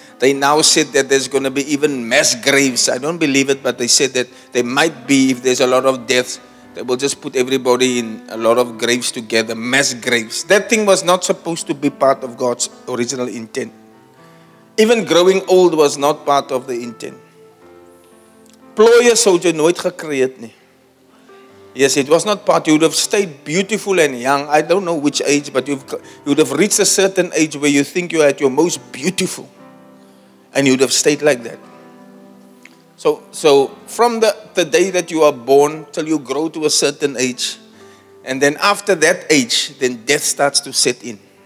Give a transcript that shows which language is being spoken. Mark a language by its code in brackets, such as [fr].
[en] They now said that there's going to be even mass graves. I don't believe it, but they said that there might be, if there's a lot of deaths, they will just put everybody in a lot of graves together, mass graves. That thing was not supposed to be part of God's original intent. Even growing old was not part of the intent. [af] Plooie sou jy nooit gekreëd nie. [en] Yes, it was not part. You would have stayed beautiful and young. I don't know which age, but you would have reached a certain age where you think you're at your most beautiful. And you would have stayed like that. So from the day that you are born till you grow to a certain age, and then after that age, then death starts to set in.